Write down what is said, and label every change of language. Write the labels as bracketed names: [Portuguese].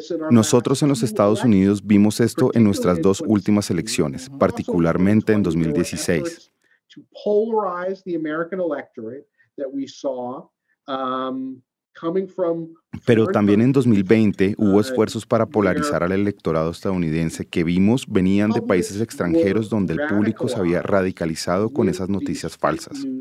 [Spanish] Nosotros en los Estados Unidos vimos esto en nuestras dos últimas elecciones, particularmente en 2016. [English] To polarize the American electorate that we saw coming from. [Spanish] Pero también en 2020 hubo esfuerzos para polarizar al electorado estadounidense que vimos venían de países extranjeros donde el público se había radicalizado con esas noticias falsas.